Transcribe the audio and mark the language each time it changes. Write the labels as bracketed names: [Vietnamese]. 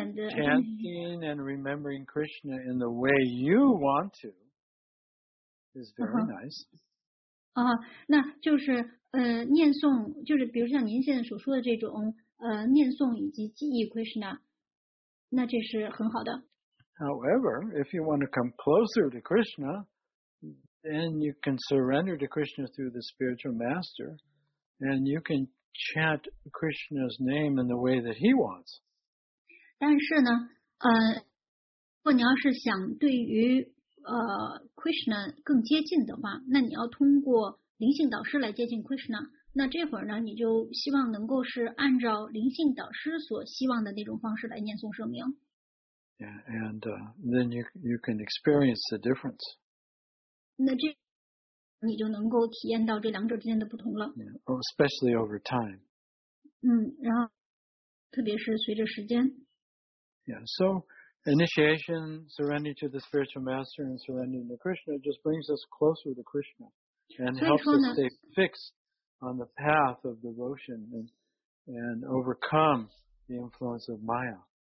[English] and remembering Krishna in the way you want to is very nice. [Chinese] 那就是念诵，就是比如像您现在所说的这种。念诵以及记忆 Krishna, 那这是很好的。 [English] However, if you want to come closer to Krishna, then you can surrender to Krishna through the spiritual master And you can chant Krishna's name in the way that he wants. [Chinese] 但是呢，如果你要是想对于Krishna 更接近的话，那你要通过灵性导师来接近 Krishna。那这会儿呢，你就希望能够是按照灵性导师所希望的那种方式来念诵圣名。 [English] Yeah, and then you can experience the difference. [Chinese] 那这你就能够体验到这两者之间的不同了。 [English] Yeah, especially over time. [Chinese] 嗯，然后特别是随着时间。 [English] Yeah, so initiation, surrendering to the spiritual master and surrendering to Krishna just brings us closer to Krishna and helps us stay fixed on the path of devotion and overcome the influence of Maya.